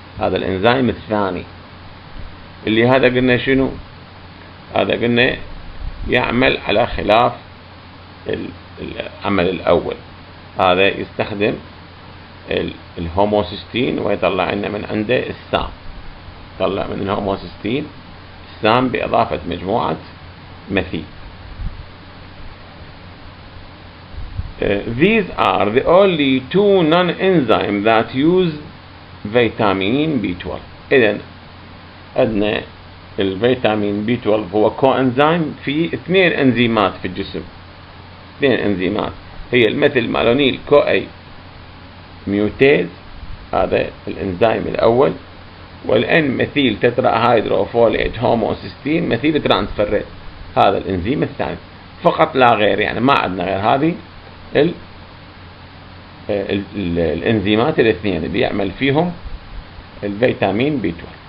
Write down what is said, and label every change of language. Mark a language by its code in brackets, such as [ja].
[ar] هذا الانزيم الثاني اللي هذا قلنا شنو؟ هذا قلنا يعمل على خلاف العمل الاول، هذا يستخدم الهوموسيستين ويطلع لنا من عنده السام، طلع من الهوموسيستين السام بإضافة مجموعة مثيل. [en] These are the only two non-enzymes that use vitamin B12. [ar] إذن عندنا الفيتامين B12 هو كوانزيم في اثنين انزيمات في الجسم، اثنين انزيمات هي الميثيل مالونيل كو اي ميوتاز، هذا الانزيم الاول، والان ميثيل تترا هيدروفوليت هوموسيستين ميثيل ترانسفيرات، هذا الانزيم الثاني فقط لا غير، يعني ما عندنا غير هذه الـ الانزيمات الاثنين اللي يعمل فيهم الفيتامين بي 12.